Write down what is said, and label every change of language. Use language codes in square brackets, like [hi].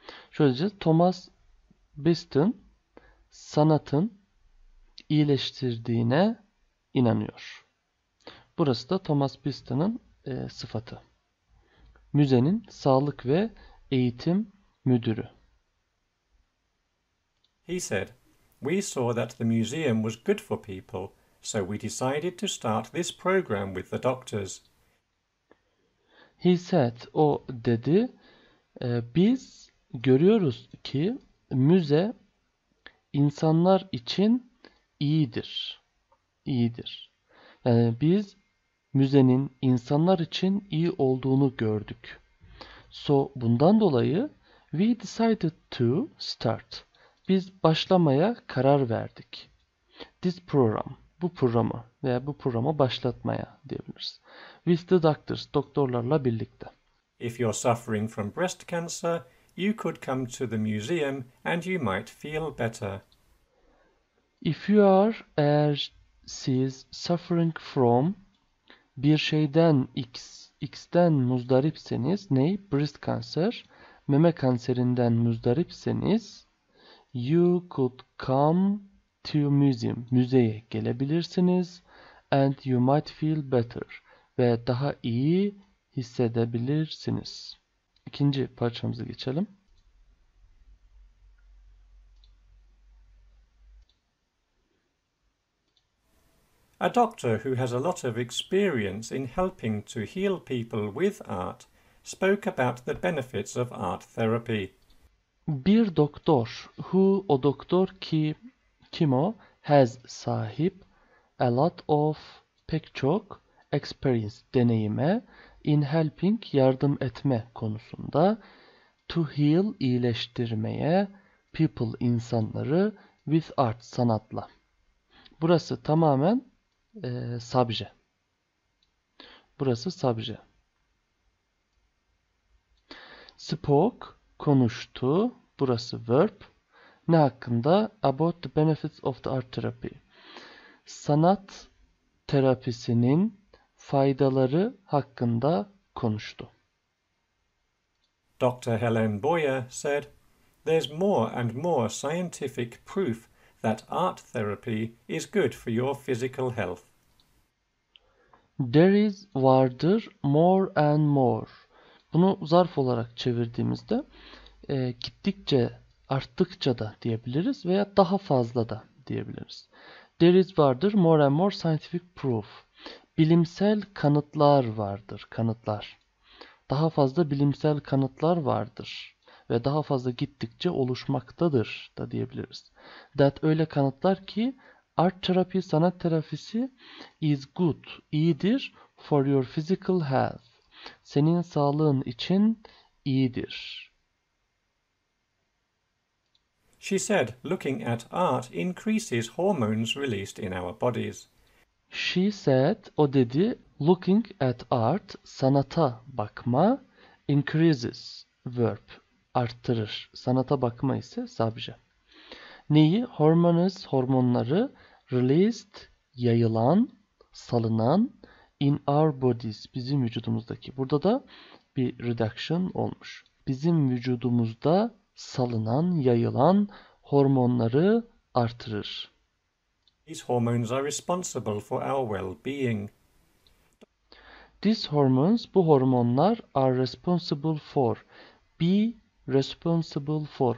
[tr] Şöyle diyeceğiz, Thomas Biston sanatın iyileştirdiğine inanıyor. Burası da Thomas Piston'un sıfatı. Müzenin sağlık ve eğitim müdürü. [en] He said, "We saw that the museum was good for people, so we decided to start this program with the doctors." He said, [tr] o dedi, biz görüyoruz ki müze insanlar için iyidir. İyidir. Yani biz müzenin insanlar için iyi olduğunu gördük. [en] So [tr] bundan dolayı [en] we decided to start. [tr] Biz başlamaya karar verdik. [en] This program, [tr] bu programı veya bu programı başlatmaya diyebiliriz. [en] With the doctors, [tr] doktorlarla birlikte. [en] If you're suffering from breast cancer, you could come to the museum and you might feel better. If you are, [tr] eğer siz [en] suffering from [tr] bir şeyden X'ten muzdaripseniz, ney? [en] Breast cancer, [tr] meme kanserinden muzdaripseniz, [en] you could come to museum, [tr] müzeye gelebilirsiniz [en] and you might feel better [tr] ve daha iyi hissedebilirsiniz. İkinci parçamızı geçelim. [en] A doctor who has a lot of experience in helping to heal people with art spoke about the benefits of art therapy. [tr] Bir doktor, [en] who [tr] o doktor ki kim o, [en] has [tr] sahip [en] a lot of [tr] pek çok [en] experience [tr] deneyime [en] in helping [tr] yardım etme konusunda [en] to heal [tr] iyileştirmeye [en] people [tr] insanları [en] with art [tr] sanatla. Burası tamamen sabje. Burası sabje. [en] Spoke [tr] konuştu. Burası verb. Ne hakkında? [en] About the benefits of the art therapy. [tr] Sanat terapisinin faydaları hakkında konuştu. [en] Dr. Helen Boyer said, "There's more and more scientific proof that art therapy is good for your physical health." There is [tr] vardır [en] more and more. [tr] Bunu zarf olarak çevirdiğimizde gittikçe arttıkça da diyebiliriz veya daha fazla da diyebiliriz. [en] There is [tr] vardır [en] more and more scientific proof. [tr] Bilimsel kanıtlar vardır, kanıtlar. Daha fazla bilimsel kanıtlar vardır ve daha fazla gittikçe oluşmaktadır da diyebiliriz. [en] That [tr] öyle kanıtlar ki [en] art therapy, [tr] sanat terapisi [en] is good, [tr] iyidir [en] for your physical health. [tr] Senin sağlığın için iyidir. [en] She said, "Looking at art increases hormones released in our bodies." She said, [tr] o dedi, [en] looking at art, [tr] sanata bakma, [en] increases, verb, [tr] arttırır. Sanata bakma ise sabje. Neyi? [en] Hormones, [tr] hormonları, [en] released, [tr] yayılan, salınan, [en] in our bodies, [tr] bizim vücudumuzdaki. Burada da bir reduction olmuş. Bizim vücudumuzda salınan, yayılan hormonları arttırır. [en] These hormones are responsible for our well-being. These hormones, [tr] bu hormonlar [en] are responsible for, be responsible for.